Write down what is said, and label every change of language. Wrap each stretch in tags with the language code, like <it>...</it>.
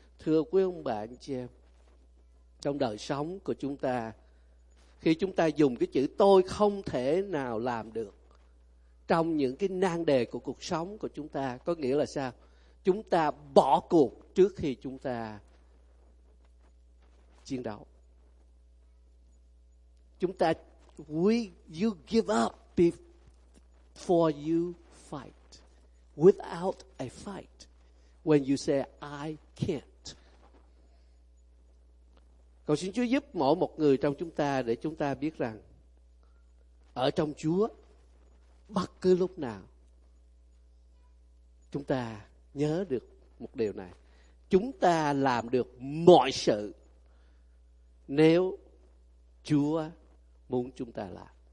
<vi>Thưa quý ông bà anh chị em, trong đời sống của chúng ta, khi chúng ta dùng cái chữ tôi không thể nào làm được trong những cái nan đề của cuộc sống của chúng ta, có nghĩa là sao? Chúng ta bỏ cuộc trước khi chúng ta chiến đấu. Chúng ta,</vi> <en>you give up before you fight. Without a fight, when you say, I can't.</en> <vi>Cầu xin Chúa giúp mỗi một người trong chúng ta để chúng ta biết rằng, ở trong Chúa, bất cứ lúc nào, chúng ta nhớ được một điều này. Chúng ta làm được mọi sự nếu Chúa muốn chúng ta làm.</vi>